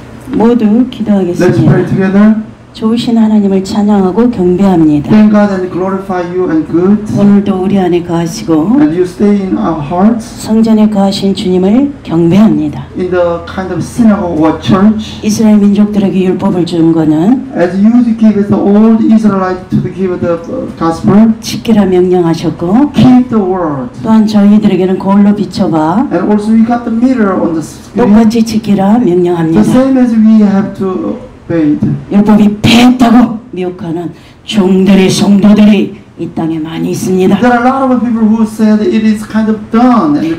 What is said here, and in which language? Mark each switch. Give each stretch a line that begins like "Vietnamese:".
Korean: 모두 기도하겠습니다. 좋으신 하나님을 찬양하고 경배합니다.
English: Thank God and glorify you and good.
Korean: 오늘도 우리 안에 거하시고
English: and you stay in our hearts.
Korean: 성전에 거하신 주님을 경배합니다.
English: In the kind of synagogue or church.
Korean: 이스라엘 민족들에게 율법을 준 거는
English: as you give the old Israelites to give the gospel.
Korean: 지키라 명령하셨고
English: keep the word.
Korean: 또한 저희들에게는 거울로 비춰봐
English: and also we got the mirror on the screen.
Korean: 똑같이 지키라 명령합니다.
English: The same as we have to.
Korean: 율법이 뺐다고 미혹하는 종들의 성도들이 이 땅에 많이 있습니다.
English: There are a lot of people who said it is kind of done.